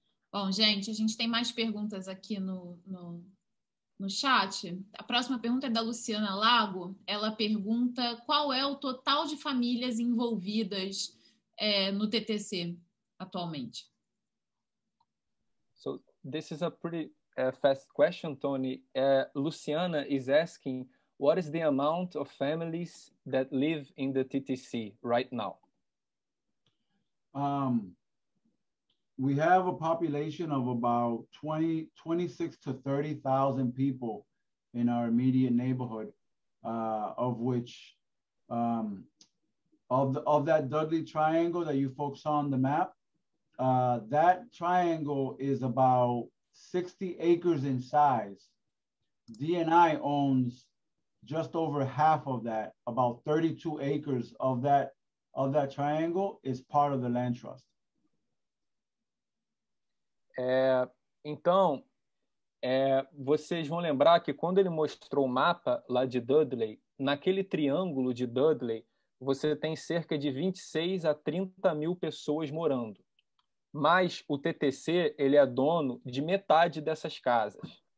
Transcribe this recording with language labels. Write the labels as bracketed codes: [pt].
[pt] Bom, gente, a gente tem mais perguntas aqui no chat. A próxima pergunta é da Luciana Lago. Ela pergunta qual é o total de famílias envolvidas no TTC atualmente. [en] So, this is a pretty fast question, Tony. Luciana is asking, what is the amount of families that live in the TTC right now? We have a population of about 26,000 to 30,000 people in our immediate neighborhood, of which of that Dudley triangle that you folks saw on the map, that triangle is about 60 acres in size. DNI owns just over half of that, about 32 acres of that triangle is part of the land trust. [pt] Então, vocês vão lembrar que quando ele mostrou o mapa lá de Dudley, naquele triângulo de Dudley, você tem cerca de 26 a 30 mil pessoas morando. Mas o TTC, ele é dono de metade dessas casas.